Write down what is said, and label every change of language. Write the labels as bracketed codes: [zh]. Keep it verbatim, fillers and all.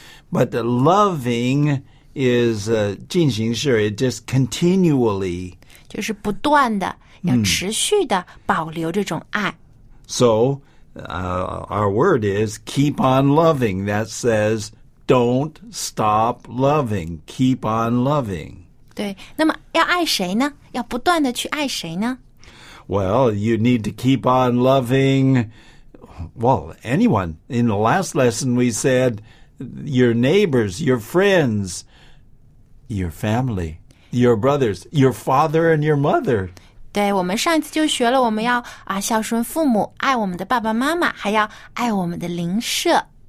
[en] But the loving is 进行式, it just continually. [zh] 就是不断的,要持续的保留这种爱。 [en] So, uh, our word is keep on loving. That says, don't stop loving. Keep on loving. [zh] 对,那么要爱谁呢?要不断的去爱谁呢? [en] Well, you need to keep on loving, well, anyone. In the last lesson we said your neighbors, your friends, your family, your brothers, your father and your mother. [zh] 对，我们上一次就学了，我们要啊孝顺父母，爱我们的爸爸妈妈，还要爱我们的邻舍。